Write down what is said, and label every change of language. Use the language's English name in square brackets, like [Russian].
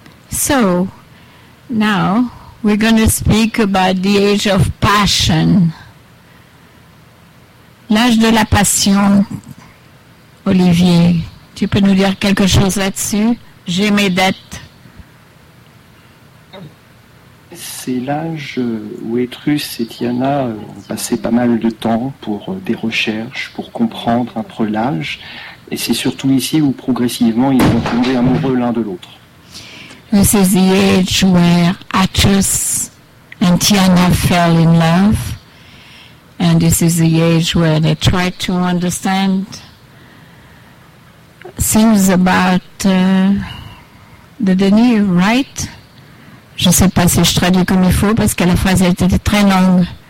[English] So, now we're going to speak about the age of passion. [French] L'âge de la passion, Olivier, tu peux nous dire quelque chose là-dessus? J'ai mes dettes. C'est l'âge où Étrus et Tiana ont passé pas mal de temps pour des recherches, pour comprendre un peu l'âge. Et c'est surtout ici où progressivement ils vont tomber amoureux l'un de l'autre. [English] This is the age where Atreus and Tiana fell in love. And this is the age where they try to understand things about the Denis, right? [French] Je ne sais pas si je traduis comme il faut parce que la phrase était très longue.